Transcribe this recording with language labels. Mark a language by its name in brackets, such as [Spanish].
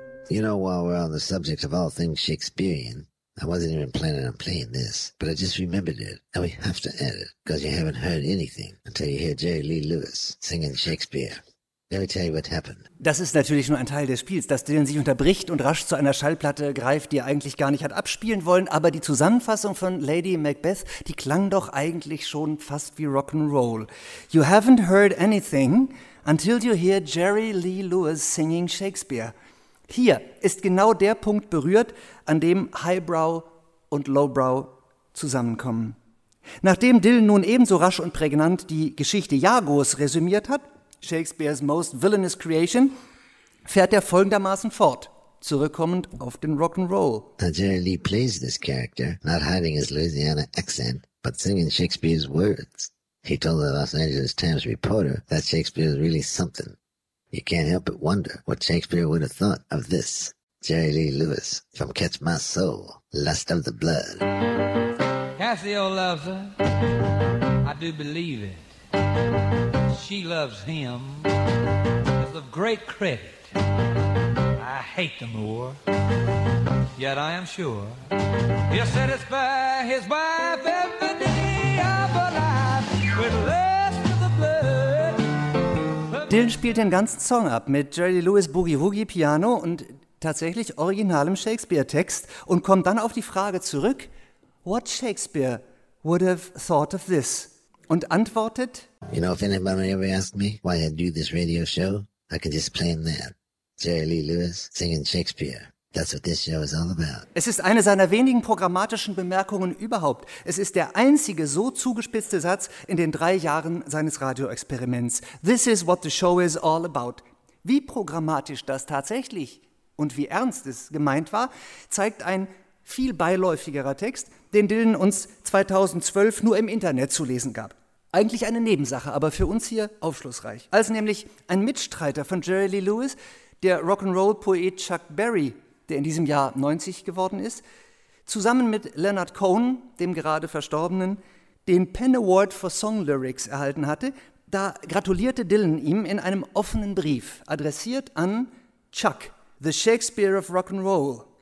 [English] You know, while we're on the subject of all things Shakespearean, I wasn't even planning on playing this, but I just remembered it, and we have to add it, because you haven't heard anything until you hear Jerry Lee Lewis singing Shakespeare. Let me tell you what happened. [German] Das ist natürlich nur ein Teil des Spiels, dass Dylan sich unterbricht und rasch zu einer Schallplatte greift, die er eigentlich gar nicht hat abspielen wollen, aber die Zusammenfassung von Lady Macbeth, die klang doch eigentlich schon fast wie Rock'n'Roll. [English] You haven't heard anything until you hear Jerry Lee Lewis singing Shakespeare. [German] Hier ist genau der Punkt berührt, an dem Highbrow und Lowbrow zusammenkommen. Nachdem Dylan nun ebenso rasch und prägnant die Geschichte Iagos resümiert hat, [English] Shakespeare's most villainous creation, [German] fährt er folgendermaßen fort, zurückkommend auf den Rock'n'Roll. [English] Now Jerry Lee plays this character, not hiding his Louisiana accent, but singing Shakespeare's words. He told the Los Angeles Times reporter that Shakespeare is really something. You can't help but wonder what Shakespeare would have thought of this. Jerry Lee Lewis from Catch My Soul, Lust of the Blood. That's the old love, sir. I do believe it. She loves him. It's of great credit. I hate the Moor. Yet I am sure he'll satisfy his wife Ebony of a life with love. [German] Dylan spielt den ganzen Song ab mit Jerry Lewis Boogie Woogie Piano und tatsächlich originalem Shakespeare-Text und kommt dann auf die Frage zurück, [English] what Shakespeare would have thought of this? [German] Und antwortet, [English] you know, if anybody ever asked me why I do this radio show, I can just play that. Jerry Lee Lewis singing Shakespeare. That's what this show is all about. [German] Es ist eine seiner wenigen programmatischen Bemerkungen überhaupt. Es ist der einzige so zugespitzte Satz in den 3 Jahren seines Radioexperiments. [English] This is what the show is all about. [German] Wie programmatisch das tatsächlich und wie ernst es gemeint war, zeigt ein viel beiläufigerer Text, den Dylan uns 2012 nur im Internet zu lesen gab. Eigentlich eine Nebensache, aber für uns hier aufschlussreich. Als nämlich ein Mitstreiter von Jerry Lee Lewis, der Rock'n'Roll-Poet Chuck Berry, der in diesem Jahr 90 geworden ist, zusammen mit Leonard Cohen, dem gerade Verstorbenen, den Penn Award for Song Lyrics erhalten hatte, da gratulierte Dylan ihm in einem offenen Brief, adressiert an Chuck, [English] the Shakespeare of Rock'n'Roll.